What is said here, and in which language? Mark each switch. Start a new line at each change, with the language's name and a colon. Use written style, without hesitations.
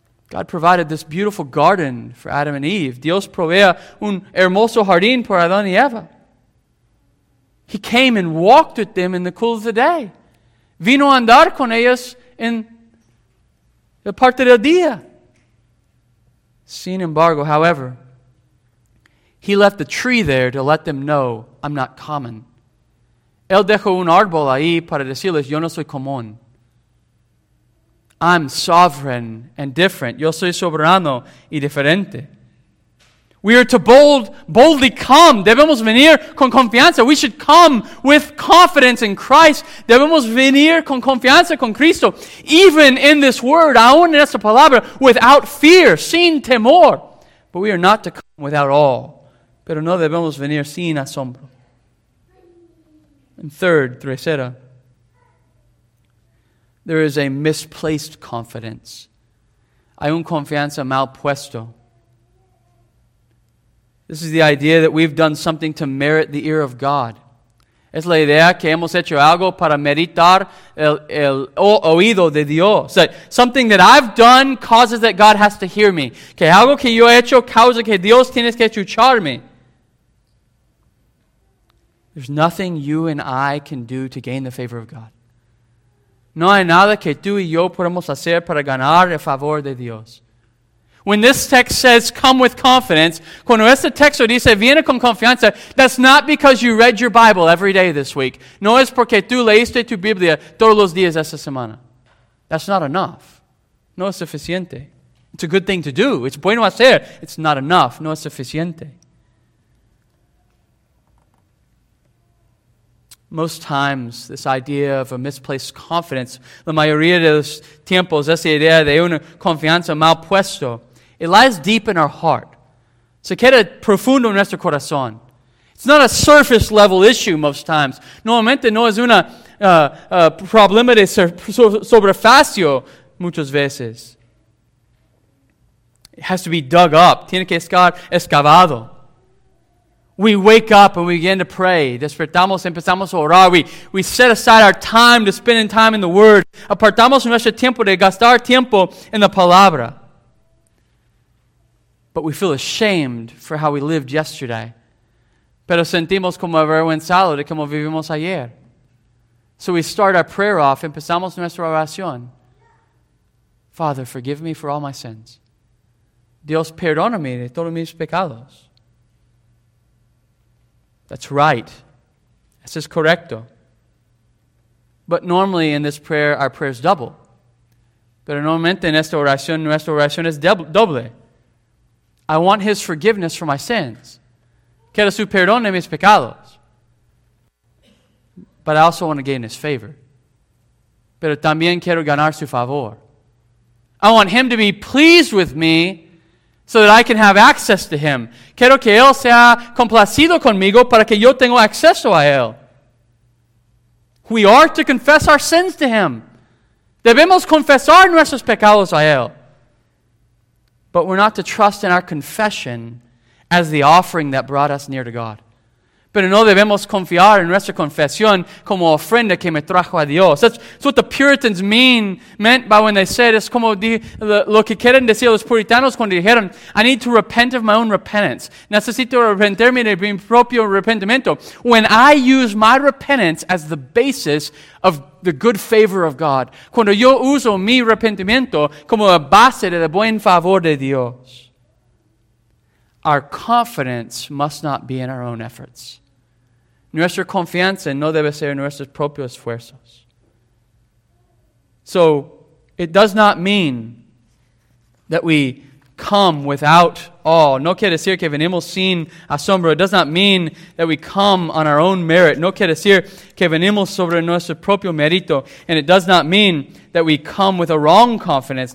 English: God provided this beautiful garden for Adam and Eve.
Spanish: Dios provee un hermoso jardín por Adán y Eva.
English: He came and walked with them in the cool of the day.
Spanish: Vino a andar con ellos en la parte del día. Sin embargo,
English: however, he left the tree there to let them know, I'm not common.
Spanish: Él dejó un árbol ahí para decirles, yo no soy común.
English: I'm sovereign and different.
Spanish: Yo soy soberano y diferente.
English: We are to boldly come.
Spanish: Debemos venir con confianza.
English: We should come with confidence in Christ.
Spanish: Debemos venir con confianza con Cristo.
English: Even in this word,
Spanish: aún en esta palabra,
English: without fear,
Spanish: sin temor.
English: But we are not to come without awe.
Spanish: Pero no debemos venir sin asombro.
English: And third,
Spanish: tercera,
English: there is a misplaced confidence.
Spanish: Hay un confianza mal puesto.
English: This is the idea that we've done something to merit the ear of God.
Spanish: Es la idea que hemos hecho algo para meritar el oído de Dios.
English: That something that I've done causes that God has to hear me.
Spanish: Que algo que yo he hecho causa que Dios tiene que escucharme.
English: There's nothing you and I can do to gain the favor of God.
Spanish: No hay nada que tú y yo podemos hacer para ganar el favor de Dios.
English: When this text says, come with confidence,
Spanish: cuando este texto dice, viene con confianza,
English: that's not because you read your Bible every day this week.
Spanish: No es porque tú leíste tu Biblia todos los días esta semana.
English: That's not enough.
Spanish: No es suficiente.
English: It's a good thing to do. It's
Spanish: bueno hacer.
English: It's not enough. No es suficiente. Most times, this idea of a misplaced confidence,
Spanish: la mayoría de los tiempos, esa idea de una confianza mal puesto,
English: it lies deep in our heart.
Spanish: Se queda profundo en nuestro corazón.
English: It's not a surface level issue most times.
Spanish: Normalmente no es una problema de sobrefacio muchas veces.
English: It has to be dug up.
Spanish: Tiene que estar excavado.
English: We wake up and we begin to pray.
Spanish: Despertamos, empezamos a orar.
English: We set aside our time to spend time in the Word.
Spanish: Apartamos nuestro tiempo de gastar tiempo en la palabra.
English: But we feel ashamed for how we lived yesterday.
Spanish: Pero sentimos como avergonzado de cómo vivimos ayer.
English: So we start our prayer off.
Spanish: Empezamos nuestra oración.
English: Father, forgive me for all my sins.
Spanish: Dios, perdóname de todos mis pecados.
English: That's right.
Spanish: Eso es correcto.
English: But normally in this prayer, our prayer is double.
Spanish: Pero normalmente en esta oración, nuestra oración es doble.
English: I want his forgiveness for my sins.
Spanish: Quiero su perdón de mis pecados.
English: But I also want to gain his favor.
Spanish: Pero también quiero ganar su favor.
English: I want him to be pleased with me so that I can have access to him.
Spanish: Quiero que él sea complacido conmigo para que yo tenga acceso a él.
English: We are to confess our sins to him.
Spanish: Debemos confesar nuestros pecados a él.
English: But we're not to trust in our confession as the offering that brought us near to God.
Spanish: Pero no debemos confiar en nuestra confesión como ofrenda que me trajo a Dios.
English: That's what the Puritans meant by when they said,
Spanish: es como lo que quieren decir los puritanos cuando dijeron,
English: I need to repent of my own repentance.
Spanish: Necesito arrepentirme de mi propio arrepentimiento.
English: When I use my repentance as the basis of the good favor of God.
Spanish: Cuando yo uso mi arrepentimiento como la base de la buen favor de Dios.
English: Our confidence must not be in our own efforts.
Spanish: Nuestra confianza no debe ser en nuestros propios esfuerzos.
English: So, it does not mean that we come without awe.
Spanish: No quiere decir que venimos sin asombro.
English: It does not mean that we come on our own merit.
Spanish: No quiere decir que venimos sobre nuestro propio mérito.
English: And it does not mean that we come with a wrong confidence.